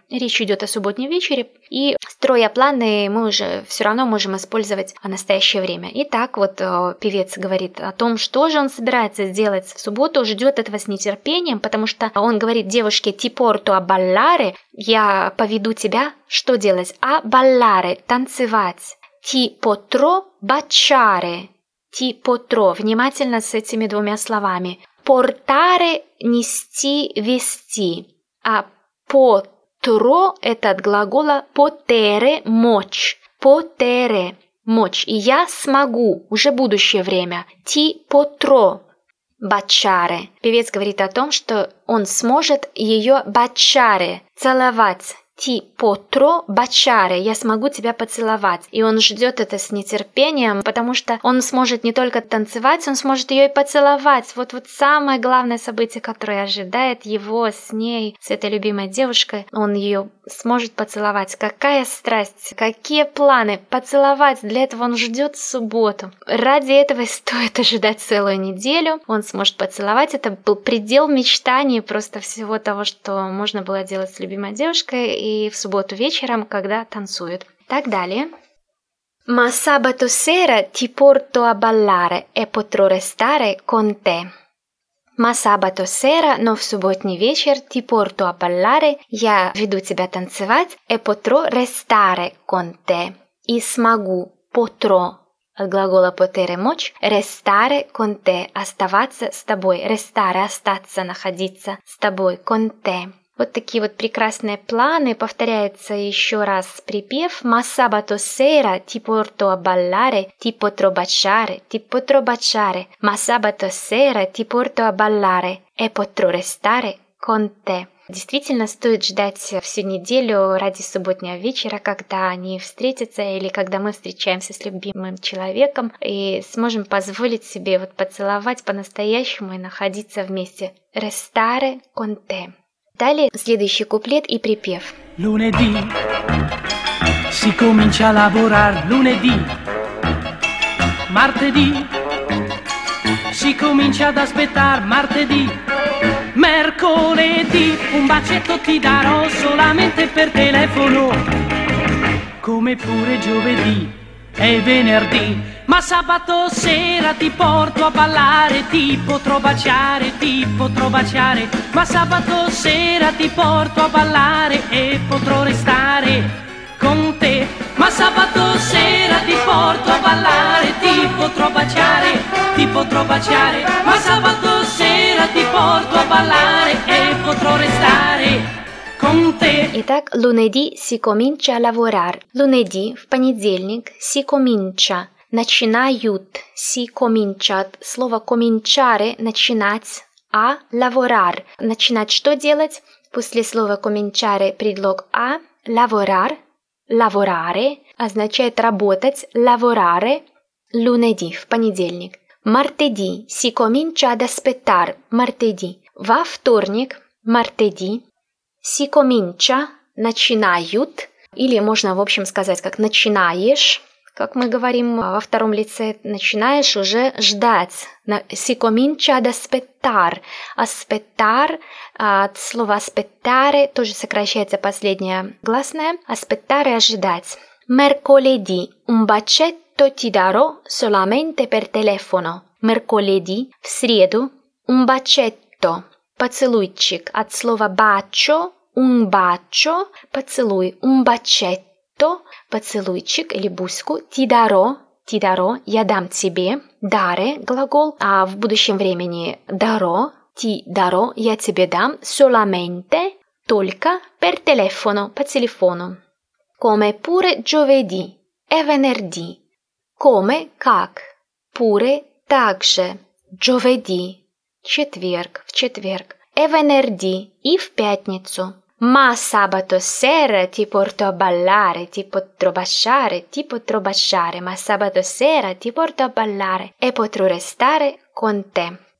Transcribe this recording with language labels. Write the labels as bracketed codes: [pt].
[ru] Речь идет о субботнем вечере. И строя планы, мы уже все равно можем использовать настоящее время. Итак, вот певец говорит о том, что же он собирается сделать в субботу, ждет этого с нетерпением, потому что он говорит девушке [it] «Ti porto a ballare», [ru] «Я поведу тебя». Что делать? «A ballare» – «Танцевать». [it] «Ti potrò baciare». [ru] «ти потро». Внимательно с этими двумя словами. «Портаре» – «нести», «вести». А «потро» – это от глагола «потере» – «мочь». «Потере» – «мочь». И «я смогу» – уже будущее время. «Ти потро». «Бачаре». Певец говорит о том, что он сможет ее «бачаре» – целовать. «Ти потро бачаре» – «я смогу тебя поцеловать». И он ждет это с нетерпением, потому что он сможет не только танцевать, он сможет ее и поцеловать. Вот-вот самое главное событие, которое ожидает его с ней, с этой любимой девушкой. Он ее сможет поцеловать. Какая страсть! Какие планы! Поцеловать! Для этого он ждет субботу. Ради этого стоит ожидать целую неделю. Он сможет поцеловать. Это был предел мечтаний просто всего того, что можно было делать с любимой девушкой. И в субботу вечером, когда танцуют. Так далее. [it] Ma sabato sera ti porto a ballare e potrò restare con te. Ma sabato sera, [ru] но в субботний вечер, [it] ti porto a ballare, [ru] я веду тебя танцевать, [it] e potrò restare con te. [ru] И смогу, potrò, от глагола potere мочь, [it] restare con te, [ru] оставаться с тобой, restare, остаться, находиться с тобой, con te. Вот такие вот прекрасные планы. Повторяется еще раз припев. [it] «Ma sabato sera ti porto a ballare, ti potrò baciare, ti potrò baciare. Ma sabato sera ti porto a ballare e potrò restare con te». [ru] Действительно, стоит ждать всю неделю ради субботнего вечера, когда они встретятся или когда мы встречаемся с любимым человеком и сможем позволить себе вот поцеловать по-настоящему и находиться вместе. [it] «Restare con te». [ru] Далее следующий куплет и припев. [it] Lunedì si comincia a lavorar lunedì. Martedì si comincia ad aspettar martedì. Mercoledì un bacetto ti darò solamente per telefono. Come pure giovedì e venerdì. Ma sabato sera ti porto a ballare, ti potrò baciare, ti potrò baciare. Ma sabato sera ti porto a ballare e potrò restare con te. Ma sabato sera ti porto a ballare, ti potrò baciare, ti potrò baciare. Ma sabato sera ti porto a ballare e potrò restare. Итак, lunedì si comincia a lavorar. Lunedì, в понедельник, si comincia, начинают, si cominciat. Слово cominciare, начинать, a lavorar. [ru] Начинать что делать? После слова cominciare предлог a, lavorar, lavorare, означает работать, lavorare, lunedì, в понедельник. [it] Martedì, si comincia ad aspettar, martedì. [ru] Во вторник, martedì. «Си комінча» – «начинают», или можно, в общем, сказать, как «начинаешь», как мы говорим во втором лице, «начинаешь уже ждать». «Си комінча» – «аспеттар». «Аспеттар» – от слова «аспеттаре» тоже сокращается последнее гласное. «Аспеттаре» – «ожидать». «Мерколеді» – «ум бачетто ті даро соламенте пер телефоно». «Мерколеді» – «в среду» – «ум бачетто». Поцелуйчик от слова bacio, un bacio, поцелуй, un bacetto, поцелуйчик или буську, ti darò, я дам тебе, dare, глагол, а в будущем времени darò, ti darò, я тебе дам, solamente, только, [it] per telefono, [ru] по телефону. [it] Come pure giovedì e venerdì, come, как, pure, также, giovedì, четверг, [ru] в четверг. E venerdì, и в пятницу. [it] Ma sabato sera ti porto a ballare, ti potrò baciare. Ma sabato sera ti porto a ballare e potrò restare con te.